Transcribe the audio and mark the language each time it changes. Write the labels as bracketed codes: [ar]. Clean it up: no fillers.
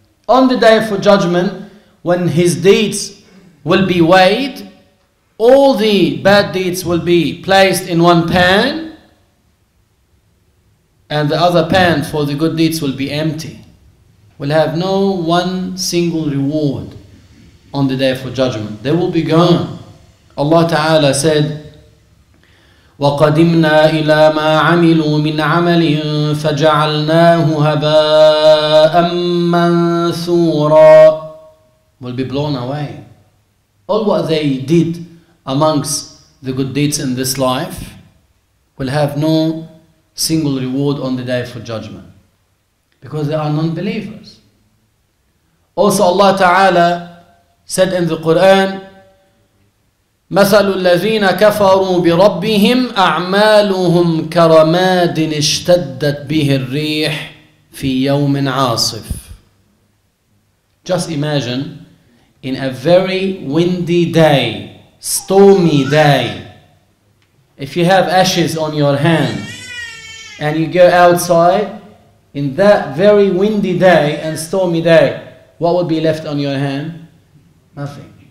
[en] On the day for judgment, when his deeds will be weighed, all the bad deeds will be placed in one pan, and the other pan for the good deeds will be empty. Will have no one single reward on the day for judgment. They will be gone. Allah Ta'ala said, [ar] وَقَدِمْنَا إِلَى مَا عَمِلُوا مِنْ عَمَلٍ فَجَعَلْنَاهُ هَبَاءً مَنْثُورًا. [en] Will be blown away. All what they did amongst the good deeds in this life will have no single reward on the day for judgment, because they are non-believers. Also Allah Ta'ala said in the Quran, [ar] مثل الذين كفروا بربهم أعمالهم كرماد اشتدت به الريح في يوم عاصف. [en] Just imagine, in a very windy day, stormy day, if you have ashes on your hand and you go outside in that very windy day and stormy day, what would be left on your hand? Nothing.